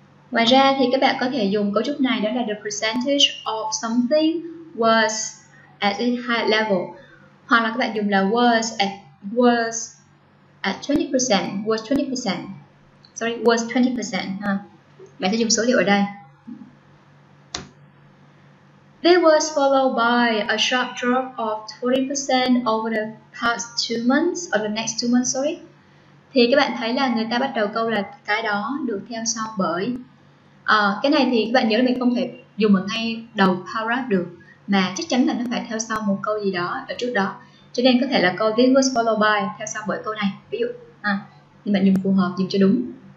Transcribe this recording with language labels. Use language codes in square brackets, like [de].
[vi] Ngoài ra thì các bạn có thể dùng cấu trúc này, đó là [en] the percentage of something was at a high level. [vi] Hoặc là các bạn dùng là was 20%. Bạn sẽ dùng số liệu ở đây. [en] This was followed by a sharp drop of 40% over the past 2 months, or the next 2 months, sorry. [vi] Thì các bạn thấy là người ta bắt đầu câu là cái đó được theo sau bởi. Cái này thì các bạn nhớ là mình không thể dùng ở ngay đầu paragraph được, mà chắc chắn là nó phải theo sau một câu gì đó ở trước đó. Cho nên có thể là câu [en] this was followed by [vi] theo sau bởi câu này, ví dụ. Thì bạn dùng phù hợp, dùng cho đúng.